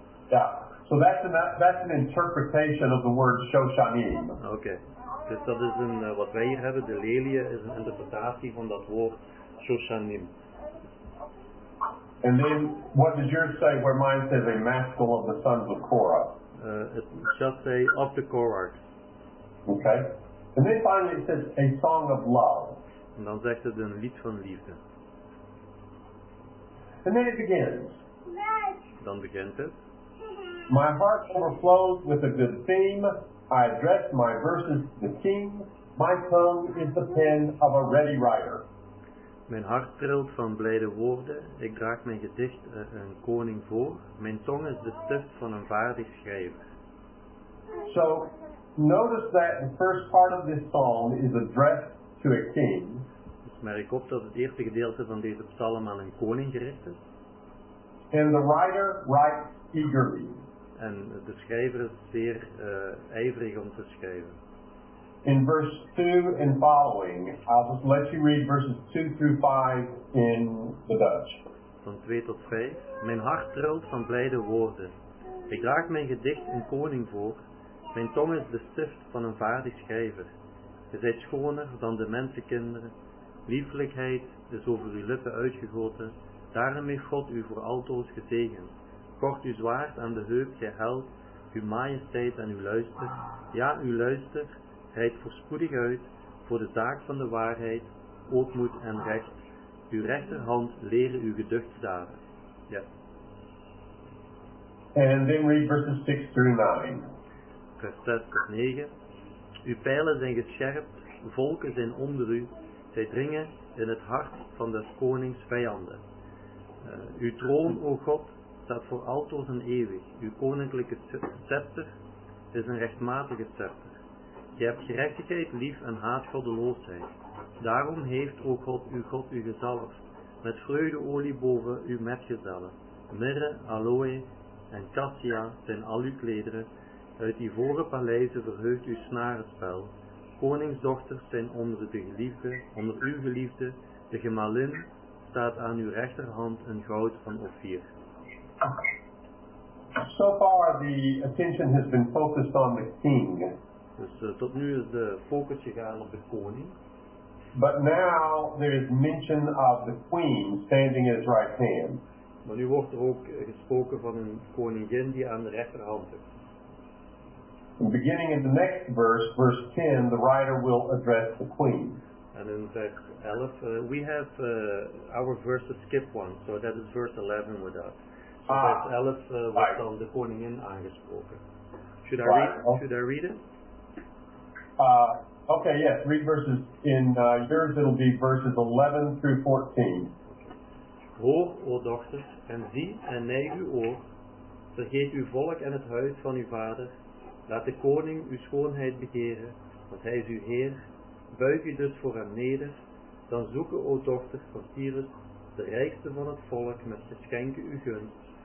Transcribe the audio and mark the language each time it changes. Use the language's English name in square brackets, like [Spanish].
[English] Yeah, so that's an interpretation of the word Shoshanim. Okay. [Dutch] Dus dat is een, wat wij hier hebben, de lelie is een interpretatie van dat woord Shoshanim. [English] And then, what does yours say where mine says a maskel of the sons of Korah? It just say of the Korah. Okay. And then finally it says a song of love. [Dutch] En dan zegt het een lied van liefde. [English] And then it begins. [Dutch] Dan begint het. [English] My heart overflows with a good theme. I address my verses to the king. My tongue is the pen of a ready writer. [Dutch] Mijn hart trilt van blijde woorden. Ik draag mijn gedicht een koning voor. Mijn tong is de stift van een vaardig schrijver. [English] So, notice that the first part of this psalm is addressed to a king. [Dutch] Dus merk op dat het eerste gedeelte van deze psalm aan een koning gericht is. [English] And the writer writes eagerly. [Dutch] En de schrijver is zeer ijverig om te schrijven. [English] In verse 2 and following, I'll just let you read verses 2 through 5 in the Dutch. [Dutch] Van 2 tot 5. Mijn hart trilt van blijde woorden. Ik draag mijn gedicht een koning voor. Mijn tong is de stift van een vaardig schrijver. Je zijt schoner dan de mensenkinderen. Lieflijkheid is over uw lippen uitgegoten. Daarom heeft God u voor altoos gezegend. Kort uw zwaard aan de heup, gij held, uw majesteit en uw luister. Ja, uw luister, rijdt voorspoedig uit voor de zaak van de waarheid, ootmoed en recht. Uw rechterhand leren uw geducht daden. Ja. [English] And then read verses 6 through 9. [Dutch] Vers 6 tot 9. Uw pijlen zijn gescherpt, volken zijn onder u, zij dringen in het hart van des konings vijanden. Uw troon, o God, staat voor altijd en eeuwig. Uw koninklijke scepter is een rechtmatige scepter. Je hebt gerechtigheid lief en haat goddeloosheid. Daarom heeft, o God, uw God u gezalfd, met vreugdeolie boven uw metgezellen. Myrrhe, aloë en cassia zijn al uw klederen. Uit ivoren paleizen verheugt uw snarenspel. Koningsdochters zijn onder de geliefde, onder uw geliefde. De gemalin staat aan uw rechterhand een goud van Ophir. [English] So far the attention has been focused on the king. [Dutch] Dus tot nu is de focus gegaan op de koning. [English] But now there is mention of the queen standing at his right hand. [Dutch] Maar nu wordt er ook gesproken van een koningin die aan de rechterhand is. [English] Beginning in the next verse, verse 10, the writer will address the queen. And in verse 11, we have our verses skip one, so that is verse 11 with us. So verse 11 was right. [Dutch] On the koningin aangesproken. [English] Should I read? Okay. Should I read it? Okay, yes, read verses. In yours it'll be verses 11 through 14. [Dutch] Hoor, o dochter, en zie en neig uw oor. Vergeet uw volk en het huis van uw vader. Laat de koning uw schoonheid begeren, want hij is uw heer. Buig u dus voor hem neder. Dan zoeken, o dochter van Tyrus, de rijkste van het volk, met geschenken uw gunst.